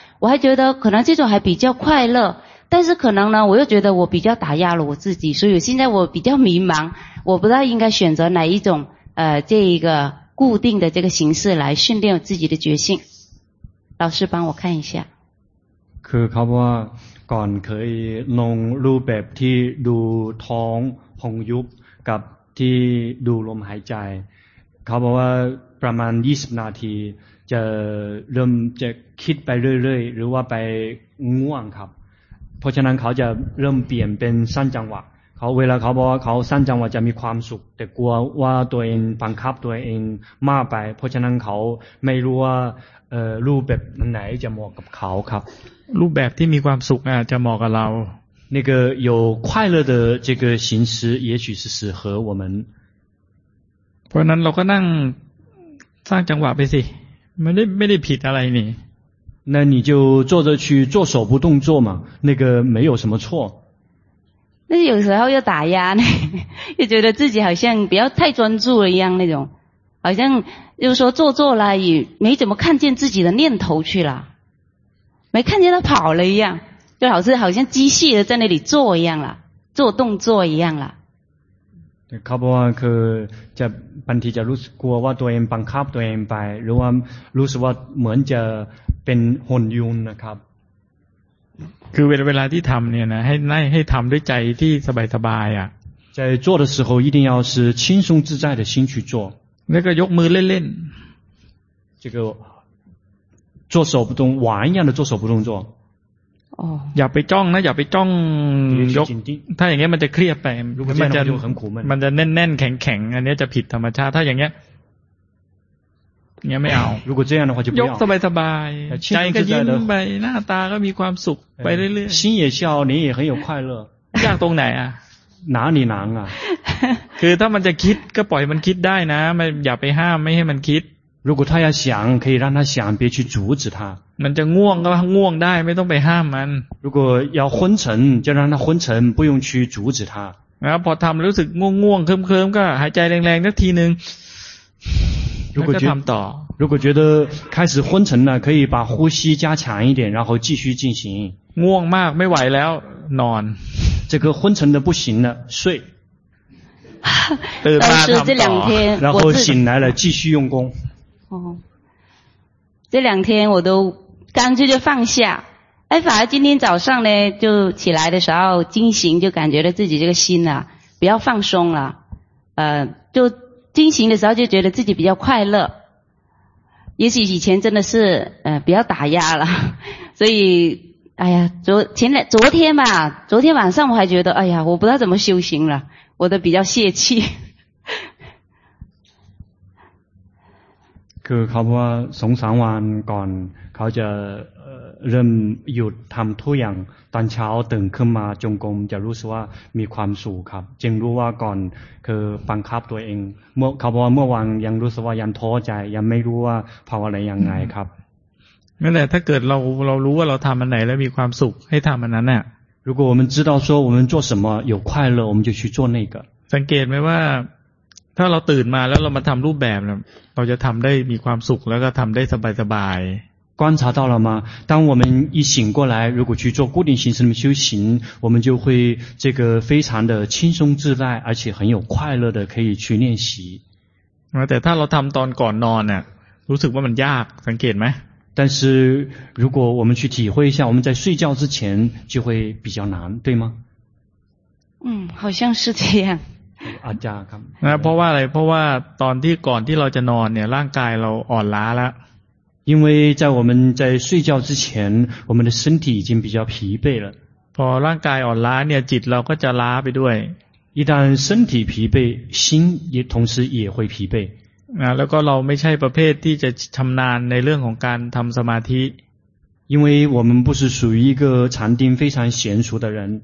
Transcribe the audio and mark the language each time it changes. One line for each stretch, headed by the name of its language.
Chinese: 我还觉得可能这种还比较快乐但是可能呢我又觉得我比较打压了我自己所以现在我比较迷茫我不知道应该选择哪一种这一个固定的这个形式来训练自己的决心老师帮我看一下
Thai: คือเขาบอกว่าก่อนเคยลงรูปแบบที่ดูท้องพองยุบกับที่ดูลมหายใจเขาบอกว่าประมาณ20นาทีจะเริ่มจะคิดไปเรื่อยๆหรือว่าไป ง่วงครับเพราะฉะนั้นเขาจะเริ่มเปลี่ยนเป็นสั้นจังหวะเขาเวลาเขาบอกว่าเขาสั้นจังหวะจะมีความสุขแต่กลัวว่าตัวเองบังคับตัวเองมากไปเพราะฉะนั้นเขาไม่รู้ว่ารูปแบบไหนจะเหมาะกับเขาครับ รูปแบบที่มีความสุขจะเหมาะกับเรา
Chinese: 那个有快乐的这个形式也许是适合我们
Thai: เพราะนั้นเราก็นั่งสร้างจังหวะไปสิไม่ได้ผิดอะไรนี่
Chinese: 那你就坐着去做手部动作嘛那个没有什么错那有时候又打压呢又觉得自己好像不要太专注了一样那种好像就是说坐坐了也没怎么看见自己的念头去了没看见他跑了一样就老是好像机械的在那里坐一样了做动作一样了
Thai: เขาบอกว่าคือจะบางทีจะรู้สึกกลัวว่าตัวเองบังคับตัวเองไปหรือว่ารู้สึกว่าเหมือนจะเป็นหุ่นยนต์นะครับ คือเวลาที่ทำเนี่ยนะให้ทำด้วยใจที่สบายสบายอ่ะ
Chinese: 在做的时候一定要是轻松自在的心去做那个
Thai: ยกมือเล่น
Chinese: ๆ这个做手不动玩一样的做手不动作 Oh. อ
Thai: ย่าไปจ้องนะอย่าไปจ้องยกถ้าอย่างนี้มันจะเครียดไป มันจะ แน่นๆแข็งๆอันนี้จะผิดธรรมชาติถ้าอย่างนี้เนี่ยไม่เอาย กสบายๆใจก็ยิ้มไปหน้าตาก็มีความสุขไปเรื่อย
Chinese: ๆ心也笑你也很有快乐
Thai: ยากตรงไหนอ่ะ หนาหนีหนังอ่ะ คือถ้ามันจะคิดก็ปล่อยมันคิดได้นะไม่อย่าไปห้ามไม่ให้มันคิด
Chinese: 如果他要想可以让他想别去阻止他
Thai: มันจะง่วงก็ง่วงได้ไม่ต้องไปห้ามมัน
Chinese: 如果要昏沉就让他昏沉不用去阻止他
Thai: แล้วพอทำรู้สึกง่วงๆเคลิ้มๆก็หายใจแรงๆสักทีนึงแล้วก็ทำต่อ
Chinese: 如果觉得开始昏沉了可以把呼吸加强一点然后继续进行
Thai: ง่วงมากไม่ไหวแล้วนอน
Chinese: 这个昏沉的不行了睡老师这两天然后醒来了继续用功哦，这两天我都干脆就放下。哎，反而今天早上呢，就起来的时候惊醒，就感觉到自己这个心啊，比较放松了。就惊醒的时候就觉得自己比较快乐。也许以前真的是比较打压了，所以哎呀，昨天晚上我还觉得哎呀，我不知道怎么修行了，我都比较泄气。
Thai: คือเขาบอกว่าสองสามวันก่อนเขาจะเริ่มหยุดทำทุกอย่างตอนเช้าตื่นขึ้นมาจงกรมจะรู้สึกว่ามีความสุขครับจึงรู้ว่าก่อนคือบังคับตัวเองเมื่อเขาบอกว่าเมื่อวานยังรู้สึกว่ายังท้อใจยังไม่รู้ว่าภาวะอะไรยังไงครับ นั่นแหละถ้าเกิดเรารู้ว่าเราทำอันไหนแล้วมีความสุขให้ทำอันนั้นเนี่ย
Chinese: 如果我们知道说我们做什么有快乐，我们就去做那个。
Thai: สังเกตไหมว่าถ้าเราตื่นมาแล้วเรามาทำรูปแบบเนี่ยเราจะทำได้มีความสุขแล้วก็ทำได้สบายสบาย
Chinese: 观察到了吗？当我们一醒过来，如果去做固定形式的修行，我们就会这个非常的轻松自在，而且很有快乐的可以去练习。
Thai: แต่ถ้าเราทำตอนก่อนนอนเนี่ยรู้สึกว่ามันยากสังเกตไหม
Chinese: 但是如果我们去体会一下，我们在睡觉之前就会比较难，对吗？嗯，好像是这样。
Thai: อาจารย์ครับ นะเพราะว่าอะไรเพราะว่าตอนที่ก่อนที่เราจะนอนเนี่ยร่างกายเราอ่อนล้าแล้ว
Chinese: 因为在我们在睡觉之前我们的身体已经比较疲惫了
Thai: พอร่างกายอ่อนล้าเนี่ยจิตเราก็จะล้าไปด้วย
Chinese: 一旦身体疲惫心也同时也会疲惫
Thai: นะแล้วก็เราไม่ใช่ประเภทที่จะชำนาญในเรื่องของการทำสมาธิ
Chinese: 因为我们不是属于一个禅定非常娴熟的人